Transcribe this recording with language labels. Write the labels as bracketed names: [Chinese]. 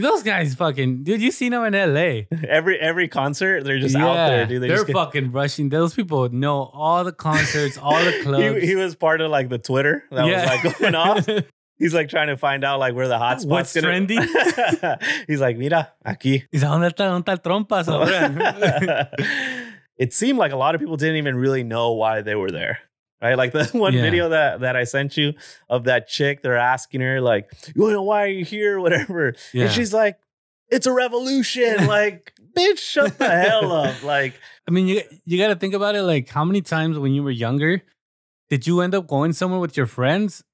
[English] Those guys fucking, dude, you seen them in L.A. Every concert, they're just out there, dude. They're fucking rushing. Those people know all the concerts, all the clubs. He was part of like the Twitter that was like going off. He's like trying to find out like where the hot spots what's gonna... trendy. He's like, [Spanish] mira, aquí. Is donde está el trompa, sobrino? [English] It seemed like a lot of people didn't even really know why they were there. Right? Like the one video that I sent you of that chick, they're asking her, like, why are you here? Whatever. Yeah. And she's like, it's a revolution. Like, bitch, shut the hell up. Like, I mean, you gotta think about it. Like, how many times when you were younger did you end up going somewhere with your friends?